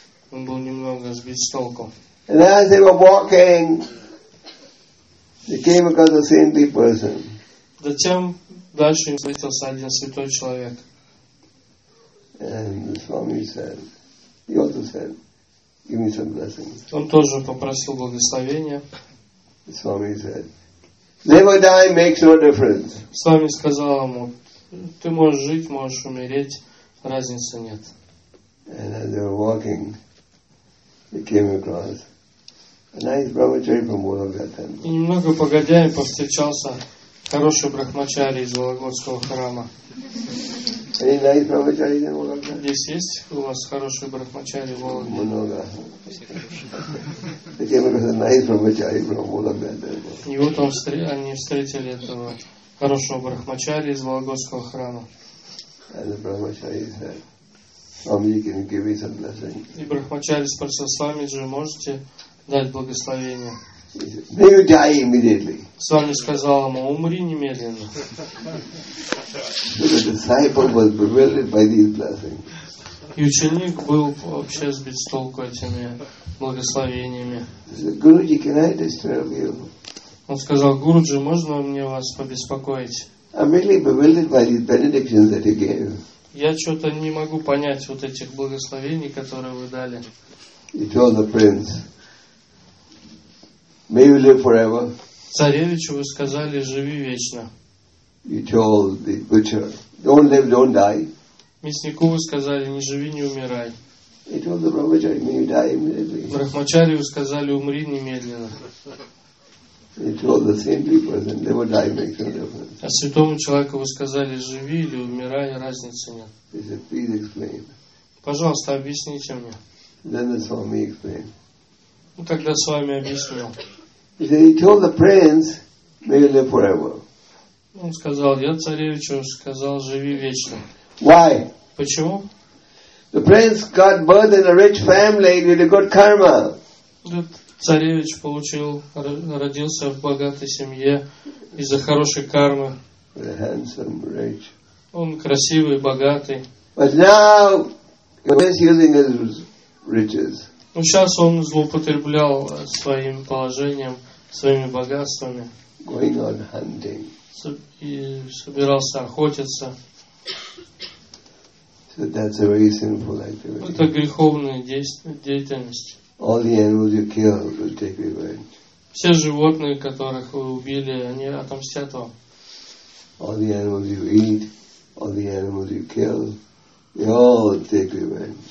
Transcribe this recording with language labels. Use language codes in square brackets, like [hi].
[ru] Он был немного сбит с толку. [en] And as they were walking, they came across a saintly person. [ru] Затем дальше им встретился один святой человек. [en] And the Swami said, he also said, "Give me some blessings." [ru] Он тоже попросил благословения. [en] The Swami said, "Live or die makes no difference." [ru] Свами сказал ему: ты можешь жить, можешь умереть, разницы нет. [en] And as they were walking, they came across a nice brahmachari from Vologat temple. [ru] И немного погодя им повстречался хороший брахмачари из Вологодского храма. [en] Any nice brahmachari in Vologat? [ru] Здесь есть у вас хороший брахмачари в Вологде? Много. [en] They came across a nice brahmachari from Vologat temple. [ru] И вот он они встретили этого хорошего брахмачари из Вологодского храма. [en] And the brahmachari said, "Swamiji, can you give me some blessing?" [ru] И брахмачари спросил: Свамиджи, можете дать благословение? [en] May you die immediately. [ru] Свами сказал ему: умри немедленно. [en] The disciple was bewildered by these blessings. [ru] И ученик был вообще сбит с толку этими благословениями. [en] Guruji, can I disturb you? [ru] Он сказал: Гуруджи, можно мне вас побеспокоить? [en] I'm really bewildered by these benedictions that you gave. [ru] Я что-то не могу понять вот этих благословений, которые вы дали. [en] He told the prince, "May you live forever." [ru] Царевичу вы сказали: живи вечно. [en] He told the butcher, "Don't live, don't die." [ru] Мяснику вы сказали: не живи, не умирай. [en] He told the brahmachari, "May you die immediately." [ru] Брахмачари вы сказали: умри немедленно. [en] He told the saintly person, "Live or die makes no difference." [ru] А святому человеку вы сказали: живи или умирай, разницы нет. [en] He said, "Please explain." [ru] Пожалуйста, объясните мне. [en] Then the Swami explained. [ru] Ну тогда с вами объяснил. [en] He said, "He told the prince, 'May you live forever.'" [ru] Он сказал: я царевичу сказал: живи вечно. [en] Why? [ru] Почему? [en] The prince got birth in a rich family with a good karma. [ru] Царевич получил, родился в богатой семье из-за хорошей кармы. [en] Handsome, rich. [ru] Он красивый, богатый. [en] But now he was using his riches. [ru] Но сейчас он злоупотреблял своим положением, своими богатствами. [en] Going on hunting. [ru] И собирался охотиться. [en] So that's a very sinful activity. [ru] Это греховная деятельность. [en] All the animals you kill will take revenge. [ru] Все животные, которых вы убили, они отомстят вам. [en] All the animals you eat, all the animals you kill, they all take revenge.